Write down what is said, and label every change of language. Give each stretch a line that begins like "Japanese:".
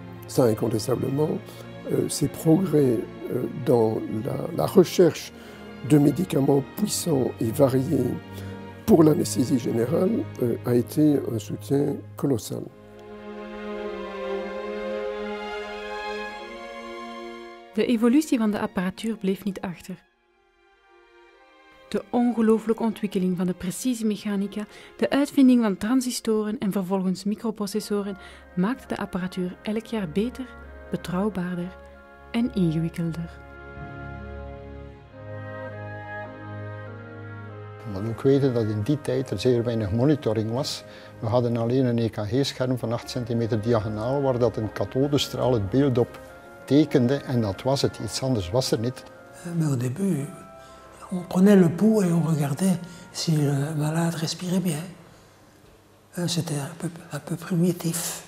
French: Ça, incontestablement, ces progrès dans la recherche de médicaments puissants et variés pour l'anesthésie générale a été un soutien colossal.
Dutch: De évolutie van de apparatuur bleef niet achter. De ongelooflijke ontwikkeling van de precisiemechanica, de uitvinding van transistoren en vervolgens microprocessoren maakte de apparatuur elk jaar beter, betrouwbaarder en ingewikkelder. We moeten ook weten dat in die tijd er zeer weinig monitoring was. We hadden alleen een EKG-scherm van 8 centimeter diagonaal waar dat een kathodestraal het beeld op tekende en dat was het. Iets anders was er niet.
French: Maar au début, on prenait le pouls et on regardait si le malade respirait bien. C'était un peu primitief.